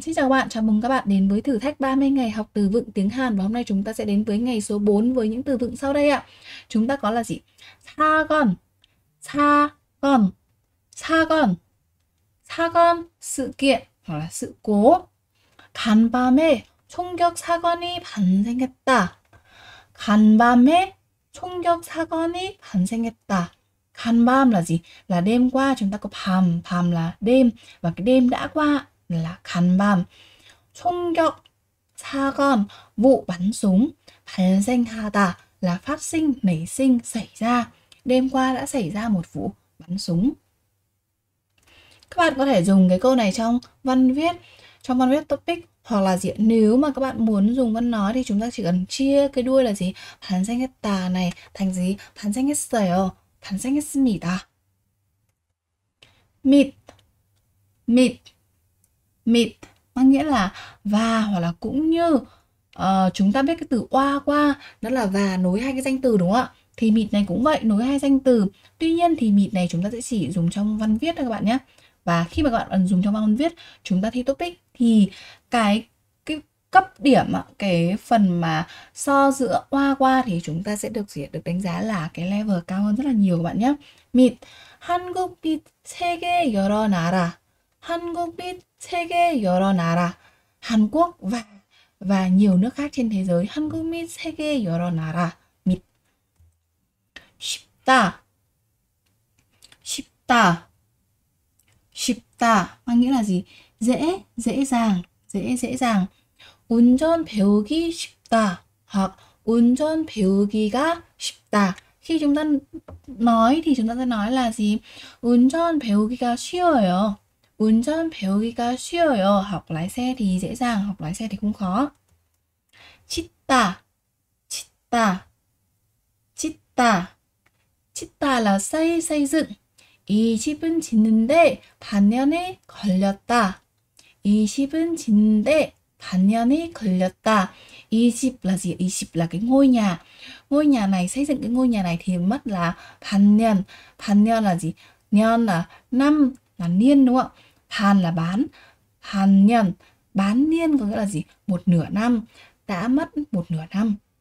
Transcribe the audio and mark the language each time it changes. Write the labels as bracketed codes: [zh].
[vi] Xin chào bạn, chào mừng các bạn đến với thử thách 30 ngày học từ vựng tiếng Hàn. Và hôm nay chúng ta sẽ đến với ngày số 4 với những từ vựng sau đây ạ. Chúng ta có là gì? [ko] 사건, 사건, 사건, 사건, [vi] sự kiện, hoặc là sự cố. [ko] 간밤에 총격 사건이 발생했다. 간밤에 총격 사건이 발생했다. [vi] 간밤 là gì? Là đêm qua, chúng ta có 밤, 밤 là đêm, và cái đêm đã qua là 간밤. 총격 사건, vụ bắn súng, 발생하다 là phát sinh, nảy sinh, xảy ra. Đêm qua đã xảy ra một vụ bắn súng. Các bạn có thể dùng cái câu này trong văn viết, topic, hoặc là gì? Nếu mà các bạn muốn dùng văn nói thì chúng ta chỉ cần chia cái đuôi là gì? 발생했다 này thành gì? [ko] 발생했어요. 발생했습니다. [vi] mit, mit, mit, mang nghĩa là và hoặc là cũng như. Chúng ta biết cái từ qua, đó là và nối hai cái danh từ đúng không ạ? Thì mit này cũng vậy, nối hai danh từ. Tuy nhiên thì mit này chúng ta sẽ chỉ dùng trong văn viết thôi các bạn nhé. Và khi mà các bạn dùng trong văn viết, chúng ta thi topic thì cái cấp điểm, cái phần mà so giữa qua thì chúng ta sẽ được đánh giá là cái level cao hơn rất là nhiều các bạn nhé. [ko] Mit 한국 및 세계 여러 나라. 한국 및 세계 여러 나라. [vi] Hàn Quốc và nhiều nước khác trên thế giới. [ko] 한국 및 세계 여러 나라. 및 쉽다. 쉽다. 쉽다. [vi] Mang nghĩa là gì? Dễ, dễ dàng. Dễ, dễ dàng. [ko] 운전 배우기 쉽다. Hoặc 운전 배우기가 쉽다. [vi] Khi chúng ta nói thì chúng ta sẽ nói là gì? [ko] 운전 배우기가 쉬워요. 운전 배우기가 쉬워요. [vi] Học lái xe thì dễ dàng, học lái xe thì không khó. [ko] 짓다, 짓다, 짓다, 짓다 [vi] là xây, xây dựng. [ko] 이 집은 짓는데 반년이 걸렸다. 이 집은 짓는데 반년이 걸렸다. [vi] 이 집 là gì? 이 집 là cái ngôi nhà. Ngôi nhà này, xây dựng cái ngôi nhà này thì mất là 반년. 반년 là gì? 년 là năm, là niên đúng không ạ? 반 là bán. 반년, bán niên có nghĩa là gì? Một nửa năm, đã mất một nửa năm.